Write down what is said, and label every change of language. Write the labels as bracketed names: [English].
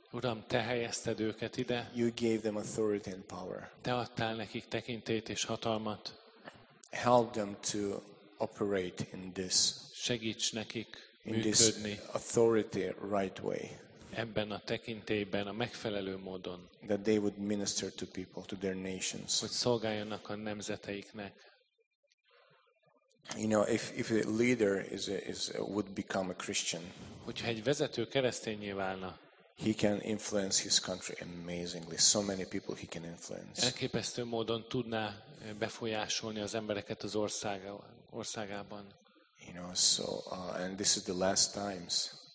[Hungarian] Uram, te helyezted őket ide. [English] You gave them authority and power. [Hungarian] Te adtál nekik tekintélyt és hatalmat. [English] Help them to operate in this. [Hungarian] Segíts nekik működni. [English] In this authority right way. [Hungarian] Ebben a tekintélyben, a megfelelő módon. [English] That they would minister to people, to their nations. [Hungarian] Hogy szolgáljanak a nemzeteiknek. [English] You know, if a leader would become a Christian. [Hungarian] Hogyha egy vezető keresztényé válna. [English] He can influence his country amazingly. So many people he can influence. [Hungarian] Elképesztő módon tudná befolyásolni az embereket az országában. [English] You know, so and this is the last times.